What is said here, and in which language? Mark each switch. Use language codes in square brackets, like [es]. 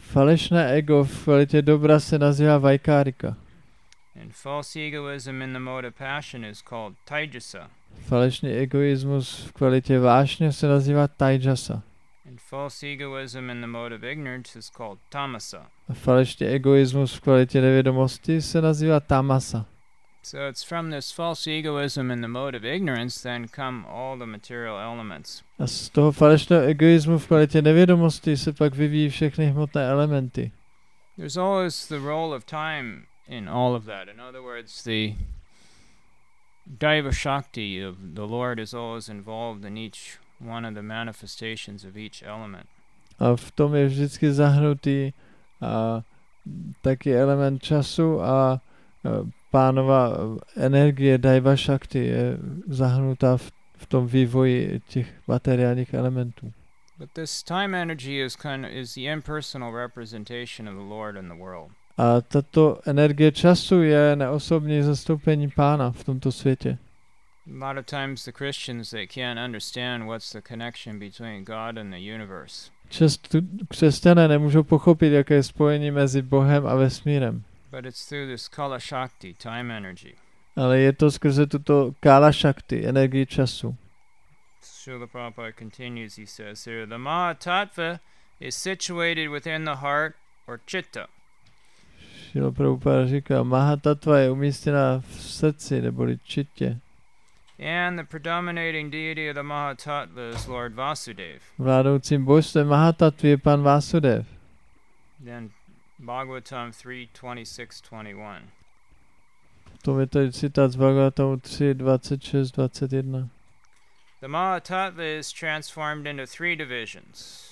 [cs] Falešné ego v kvalitě dobra se nazývá vaikarika. [en] And false egoism in the mode of passion is called tejasa. [cs] Falešný egoismus v kvalitě vášně se nazývá tejasa. [en] And false egoism in the mode of ignorance is called tamasa. [cs] Falešný egoismus v kvalitě nevědomosti se nazývá tamasa. [en] So it's from this false egoism and the mode of ignorance then come all the material elements. [cs] A z toho falešného egoismu v kvalitě nevědomosti se pak vyvíjí všechny hmotné elementy. [en] There's always the role of time in all of that. In other words, the daiva shakti of the Lord is always involved in each one of the manifestations of each element. [cs] A v tom je vždycky zahrnutý taky element času a Pánova energie, daiva shakti, je zahrnutá v tom vývoji těch materiálních elementů. [en] But this time energy is kind of, is the impersonal representation of the Lord in the world. [cs] A tato energie času je neosobní zastoupení Pána v tomto světě. [en] A lot of times the Christians, they can't understand what's the connection between God and the universe. [cs] Křesťané nemůžou pochopit, jaké je spojení mezi Bohem a vesmírem. [en] But it's through this kala shakti, time energy. [cs] Ale je to skrze tuto kala shakti, energii času. [en] Srila Prabhupada continues, he says here, the maha tattva is situated within the heart or chitta. [cs] Srila Prabhupada říká, maha tattva je umístěna v srdci, neboli čitě. [en] And the predominating deity of the Mahatattva is Lord Vasudev. [cs] Vládoucí božstvem Mahatattvy je pan Vasudev. [en] Then Bhagavatam 3:26-21. [cs] To je tady citát z Bhagavatam 3:26-21. [en] The Mahatattva is transformed into three divisions.